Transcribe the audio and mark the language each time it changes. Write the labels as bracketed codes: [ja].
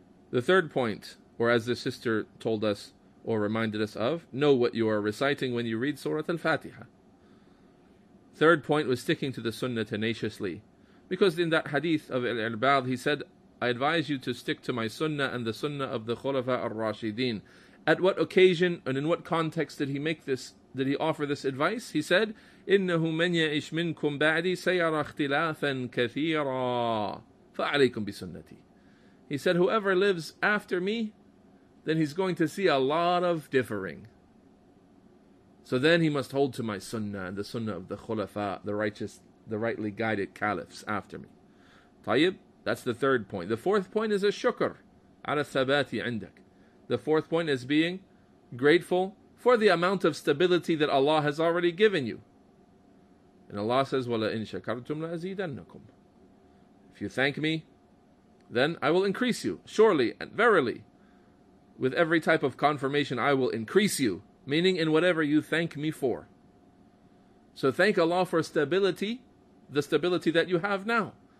[en] The third point, or as the sister told us, or reminded us of, know what you are reciting when you read Surah Al-Fatiha. Third point was sticking to the Sunnah tenaciously. Because in that hadith of Al-Irbad, he said, I advise you to stick to my sunnah and the sunnah of the Khulafa al-Rashideen. At what occasion and in what context did he make this? Did he offer this advice? He said, [ar] إِنَّهُ مَنْ يَعِشْ مِنْكُمْ بَعْدِي سَيَرَ اخْتِلَافًا كَثِيرًا فَعَلَيْكُمْ بِسُنَّتِي. [en] He said, whoever lives after me, then he's going to see a lot of differing. So then he must hold to my sunnah and the sunnah of the Khulafa, the righteous, the rightly guided caliphs after me. Tayyib, that's the third point. The fourth point is a shukr, [ar] ala thabati indak. [en] The fourth point is being grateful for the amount of stability that Allah has already given you. And Allah says, [ar] وَلَا إِن شَكَرْتُمْ لَأَزِيدَنَّكُمْ. [en] If you thank me, then I will increase you. Surely and verily, with every type of confirmation, I will increase you. Meaning in whatever you thank me for. So thank Allah for stability, the stability that you have now.